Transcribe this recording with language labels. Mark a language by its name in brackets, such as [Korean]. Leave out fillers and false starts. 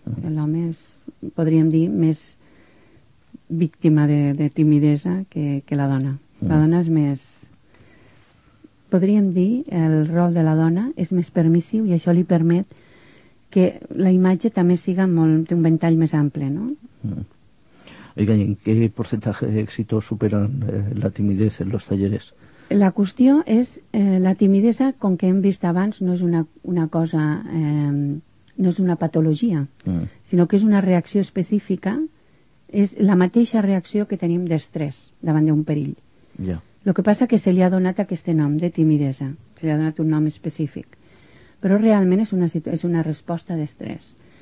[Catalan] L'home és, podríem dir, més víctima de timidesa que la dona. La dona és més... Podríem dir, el rol de la dona és més permissiu i això li permet que la imatge també siga molt, té un ventall més ample, no? [Spanish] Oiga, ¿en qué porcentaje de éxito superan la timidez en los talleres? [Catalan] La qüestió és, la timidesa, com que hem vist abans, no és una cosa, no és una patologia, sinó que és una reacció específica, és la mateixa reacció que tenim d'estrès davant d'un perill. El que passa que se li ha donat aquest nom de timidesa, se li ha donat un nom específic, però realment és una resposta d'estrès.